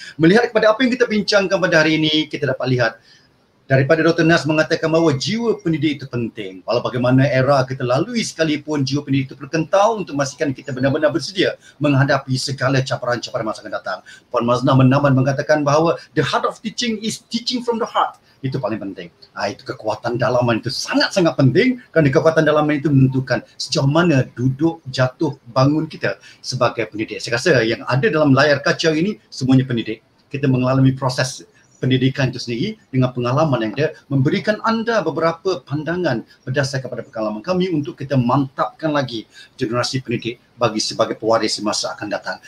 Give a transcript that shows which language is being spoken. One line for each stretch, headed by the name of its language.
Malay: Melihat kepada apa yang kita bincangkan pada hari ini, kita dapat lihat daripada Dr. Nas mengatakan bahawa jiwa pendidik itu penting. Walau bagaimana era kita lalui sekalipun, jiwa pendidik itu perkental untuk memastikan kita benar-benar bersedia menghadapi segala cabaran-cabaran masa akan datang. Puan Maznah Menaman mengatakan bahawa
English: the heart of teaching is teaching from the heart.
Malay: Itu paling penting. Itu kekuatan dalaman itu sangat-sangat penting kerana kekuatan dalaman itu menentukan sejauh mana duduk, jatuh, bangun kita sebagai pendidik. Saya rasa yang ada dalam layar kaca ini semuanya pendidik. Kita mengalami proses pendidikan itu sendiri dengan pengalaman yang dia memberikan anda beberapa pandangan berdasarkan kepada pengalaman kami untuk kita mantapkan lagi generasi pendidik bagi sebagai pewaris masa akan datang.